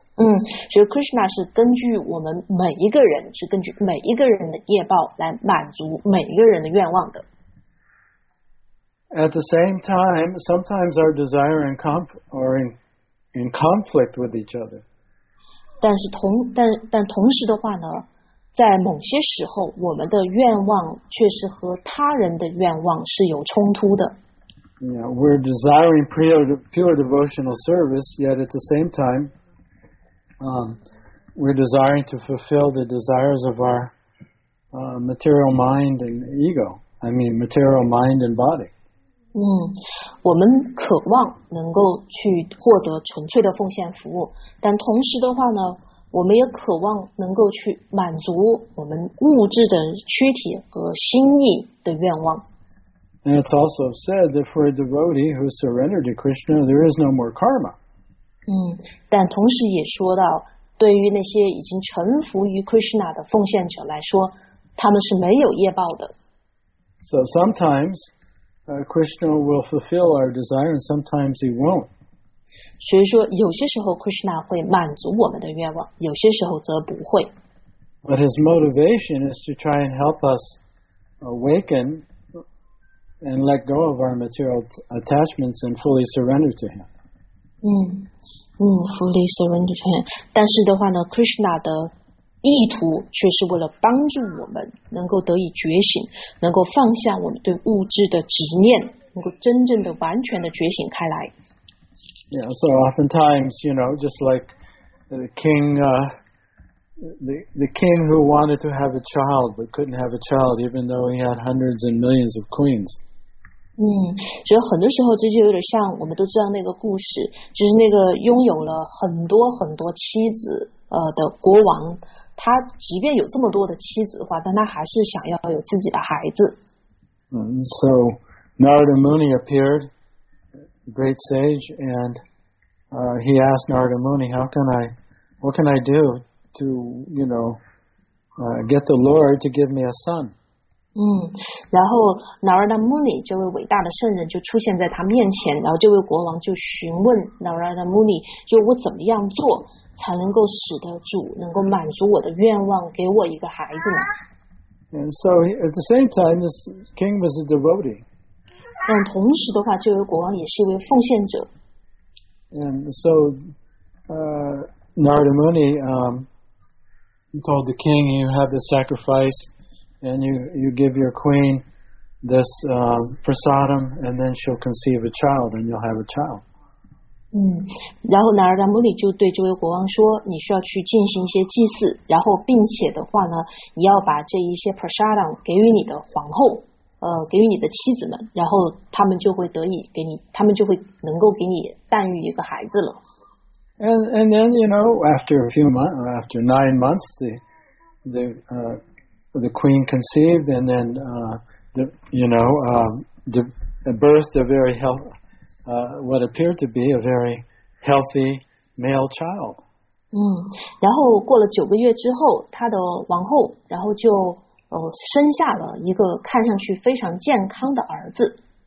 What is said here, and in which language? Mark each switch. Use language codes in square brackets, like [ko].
[zh] 嗯，所以 Krishna 是根据我们每一个人，是根据每一个人的业报来满足每一个人的愿望的。 [en] At the same time, sometimes our desire and are in conflict with each other. [zh] 但同时的话呢，在某些时候，我们的愿望却是和他人的愿望是有冲突的。 [en] Yeah, we're desiring pure devotional service, yet at the same time, we're desiring to fulfill the desires of our material mind and ego. I mean, material mind and body. [zh] 我们渴望能够去获得纯粹的奉献服务，但同时的话呢，我们也渴望能够去满足我们物质的躯体和心意的愿望。 [en] And it's also said that for a devotee who surrendered to Krishna, there is no more karma. [zh] 但同时也说到，对于那些已经臣服于 Krishna 的奉献者来说，他们是没有业报的。 [en] So sometimes,Krishna will fulfill our desire and sometimes he won't. [zh] 所以说有些时候 Krishna 会满足我们的愿望，有些时候则不会。 [en] But his motivation is to try and help us awaken and let go of our material attachments and fully surrender to him. Fully surrender to him. [zh] 但是的话呢， Krishna 的意图却是为了帮助我们能够得以觉醒，能够放下我们对物质的执念，能够真正的完全的觉醒开来。 [en] Yeah, so oftentimes, you know, just like the king who wanted to have a child but couldn't have a child, even though he had hundreds and millions of queens. [zh] 所以很多时候这就有点像我们都知道那个故事，就是那个拥有了很多很多妻子的国王。他即便有这么多的妻子的话，但他还是想要有自己的孩子。 [en] So Narada Muni appeared, great sage, and he asked Narada Muni, "What can I do to get the Lord to give me a son?" [zh] 然后 Narada Muni 这位伟大的圣人就出现在他面前，然后这位国王就询问 Narada Muni， 就我怎么样做？才能够使得主能够满足我的愿望，给我一个孩子呢。 [en] And so at the same time, this king was a devotee. [zh] 但同时的话，这位国王也是一位奉献者。 [en] And so, Narada Muni told the king, "You have the sacrifice, and you give your queen this prasadam, and then she'll conceive a child, and you'll have a child." [zh] 然后Narada Muni就对这位国王说，你需要去进行一些祭祀，然后并且的话呢，你要把这一些 prasadam 给予你的皇后，给予你的妻子们，然后他们就会得以给你，他们就会能够给你诞育一个孩子了。 [en] And then, you know, after a few months, or after 9 months, the queen conceived, and then, birthed a very healthy,what appeared to be a very healthy male child. [zh] 然后过了九个月之后，他的王后然后就生下了一个看上去非常健康的儿子。